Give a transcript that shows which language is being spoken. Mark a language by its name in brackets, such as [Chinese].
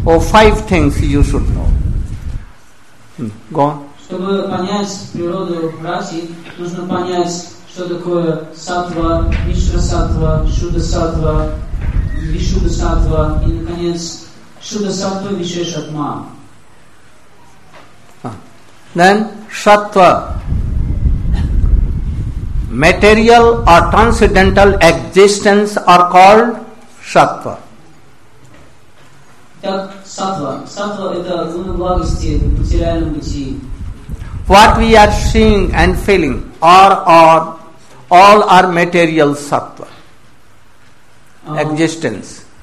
[English] Five things you should know. Go on. [Russian] Чтобы понять природу раси, нужно понять, что такое саттва, мишра саттва, шуда саттва, вишуда саттва и, наконец, шуда саттва и вишешатма. [English] Then, саттва. Material or transcendental existence are called саттва. [Russian] Так, саттва. Саттва – это гуна благости в материальном пути. [English] What we are seeing and feeling all are material sattva, existence.